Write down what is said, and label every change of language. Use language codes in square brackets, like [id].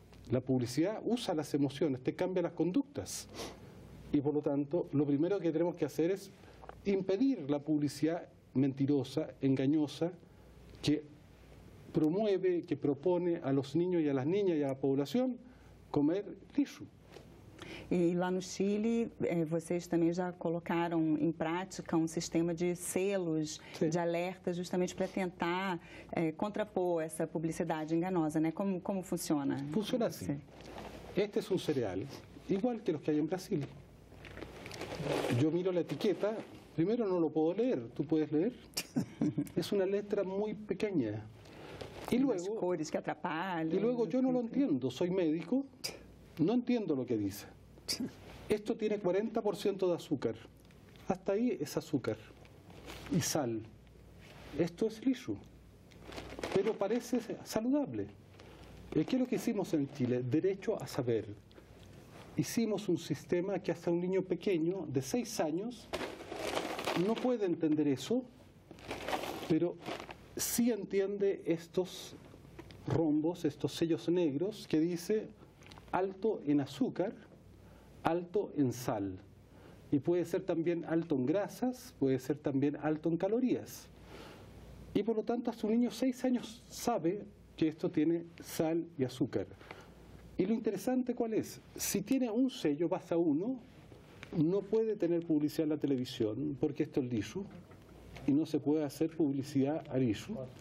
[es] La publicidad usa las emociones, te cambia las conductas. Y por lo tanto, lo primero que tenemos que hacer es impedir la publicidad mentirosa, engañosa, que promueve, que propone a los niños y a las niñas y a la población comer lixo. [pt] E lá no Chile, vocês também já colocaram em prática um sistema de selos, sim, de alerta, justamente para tentar contrapor essa publicidade enganosa, né? Como funciona? Funciona assim. Sim. Este é um cereal, [es] igual que [pt] os que há em Brasil. Eu miro a etiqueta, primeiro não o posso ler, tu podes ler? É uma letra muito pequena. E luego, as cores que atrapalham. E logo eu não o entendo, sou médico. [es] No entiendo lo que dice. Esto tiene 40% de azúcar. Hasta ahí es azúcar. Y sal. Esto es lixo. Pero parece saludable. [pt] E aquilo que [es] hicimos [pt] em Chile, direito a saber. Hicimos um sistema que até um niño pequeno, de 6 anos, não pode entender isso, mas sim entende estes rombos, [es] estes sellos negros, [pt] que diz alto em açúcar, alto em sal. E pode ser também alto em [es] grasas, [pt] pode ser também alto em calorias. [es] E, por lo tanto, hasta [pt] um [es] niño de 6 anos sabe que esto tiene sal y azúcar. Y lo interesante, ¿cuál es? Si tiene un sello, basta uno, no puede tener publicidad en la televisión, porque esto es lixo, y no se puede hacer publicidad a lixo.